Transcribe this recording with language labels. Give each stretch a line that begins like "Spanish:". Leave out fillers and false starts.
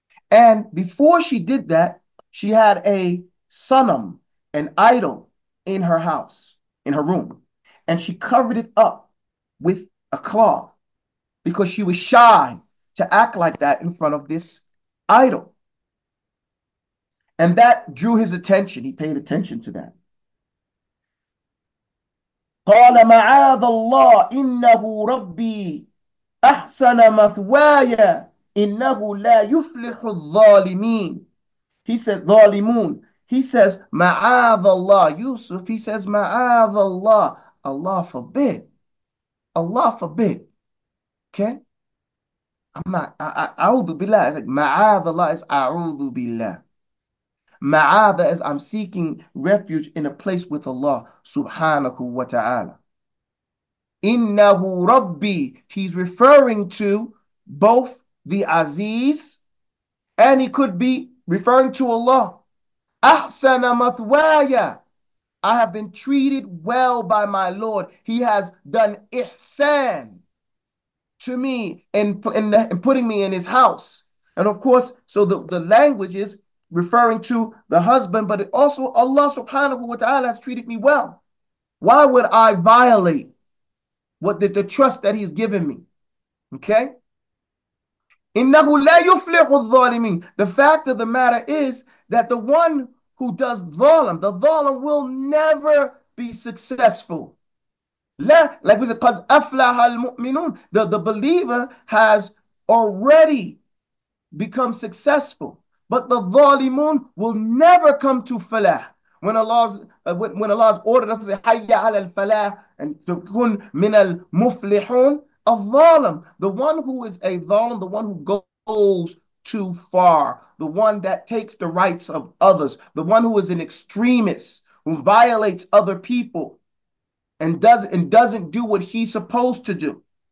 English: And before she did that, she had a sanam, an idol, in her house, in her room. And she covered it up with a cloth because she was shy to act like that in front of this idol. And that drew his attention. He paid attention to that.
Arabic: قال معاذ الله إنه ربي أحسن مثواي إنه لا يفلح الظالمين.
English: He says
Arabic: ظالمون.
English: He says
Arabic: معاذ الله يوسف.
English: He says
Arabic: معاذ الله.
English: Allah forbid. Allah forbid. Okay. I'm not.
Arabic: أعوذ بالله. معاذ الله
English: is
Arabic: أعوذ بالله.
English: Ma'adha is I'm seeking refuge in a place with Allah subhanahu wa ta'ala.
Arabic: Innahu Rabbi,
English: he's referring to both the Aziz, and he could be referring to Allah.
Arabic: Ahsana mathwaya,
English: I have been treated well by my Lord. He has done ihsan to me in putting me in his house. And of course, so the language is referring to the husband, but it also Allah subhanahu wa ta'ala has treated me well. Why would I violate what the trust that he's given me? Okay?
Arabic: إِنَّهُ لَا يُفْلِحُ الظَّالِمِينَ.
English: The fact of the matter is that the one who does dhalam, the dhalam will never be successful.
Arabic: لا,
English: like we said,
Arabic: قَدْ أَفْلَحَ الْمُؤْمِنُونَ.
English: The believer has already become successful. But the dhalimun will never come to falah. When Allah's ordered us to say,
Arabic: hayya ala al falah,
English: and to
Arabic: kun min al muflihun,
English: A dhalim, the one who is a dhalim, the one who goes too far, the one that takes the rights of others, the one who is an extremist, who violates other people and doesn't do what he's supposed to do.